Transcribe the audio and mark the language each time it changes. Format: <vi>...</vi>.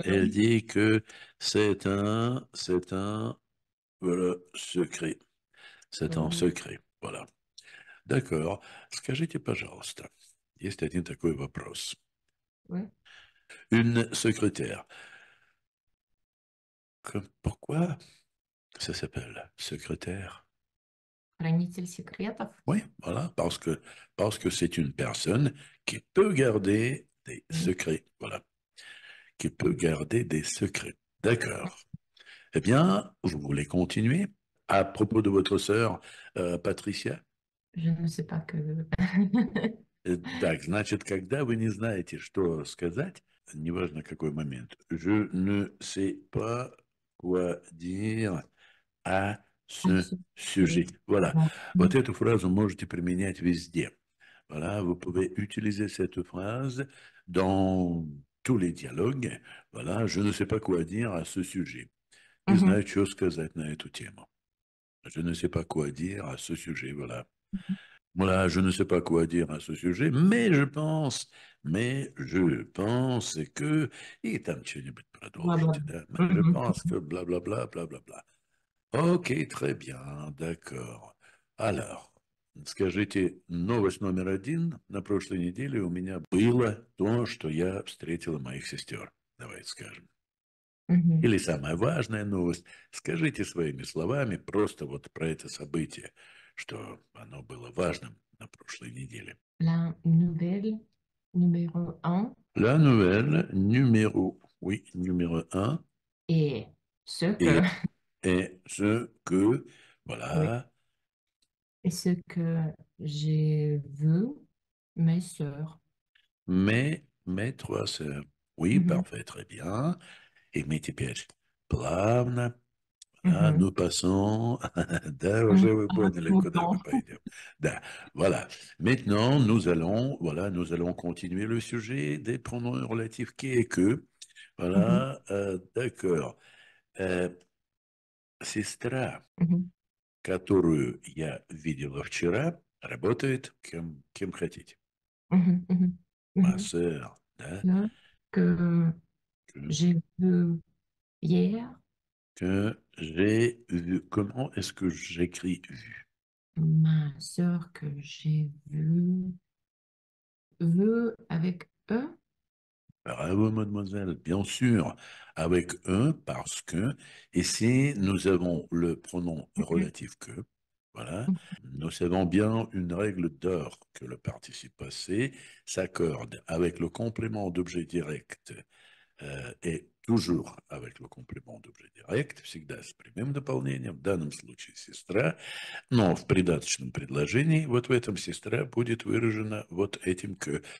<fr>Elle dit que c'est un, voilà, secret. C'est un secret, voilà. D'accord.</fr> <ru>Скажите, пожалуйста, есть один такой вопрос.</ru> <fr>Une secrétaire. Pourquoi ça s'appelle secrétaire?</fr> <ru>Хранитель секретов.</ru> <fr>Oui, voilà, parce que c'est une personne qui peut garder des secrets. Voilà. Qui peut garder des secrets. D'accord. Eh bien, vous voulez continuer à propos de votre sœur, Patricia? Je ne sais pas que.</fr> <ru>Так, значит, когда вы не знаете, что сказать, неважно какой момент,</ru> <fr>je ne sais pas quoi dire à ce sujet.</fr> <ru>Voilà, вот эту фразу можете применять везде.</ru> <fr>Voilà, vous pouvez utiliser cette phrase dans tous les dialogues. Voilà, je ne sais pas quoi dire à ce sujet.</fr> <ru>Не знаю, что сказать на эту тему.</ru> <fr>Je ne sais pas quoi dire à ce sujet, voilà. Voilà, je ne sais pas quoi dire à ce sujet, mais je pense que, et t'as</fr> <ru>что-нибудь продолжить, да?</ru> <fr>Mais je pense que blablabla, blablabla. Ok, très bien, d'accord.</fr> <ru>Alors, скажите, новость номер один. На прошлой неделе у меня было то, что я встретила моих сестер. Давайте скажем. Или самая важная новость. Скажите своими словами просто вот про это событие, что оно было важным на прошлой неделе.</ru> <fr>La nouvelle numéro 1 La nouvelle numéro, oui, numéro un, est ce que est ce que, voilà. et ce que j'ai vu mes sœurs. Mes trois sœurs. Oui, parfait, très bien. Et mes tipeurs, plavna. Ah, nous passons.</fr> <ru>Да, уже вы поняли, куда мы пойдем. Да, voilà.</ru> <fr>Maintenant, nous allons continuer le sujet des pronoms relatifs qui est que. Voilà, d'accord.</fr> <ru>Сестра, которую я видела вчера, работает кем хотите.</ru> <fr>Ма сœur,</fr> <ru>да?</ru> <fr>Que j'ai vu hier. Que j'ai vu. Comment est-ce que j'écris vu? Ma sœur que j'ai vu avec eux. Bravo, mademoiselle. Bien sûr, avec un, parce que ici, nous avons le pronom relatif que. Voilà. Nous savons bien une règle d'or que le participe passé s'accorde avec le complément d'objet direct et Toujours avec le complément d'objet direct,</fr> <ru>всегда с прямым дополнением, в данном случае сестра, но в придаточном предложении, вот в этом сестра, будет выражена вот этим «que».</ru>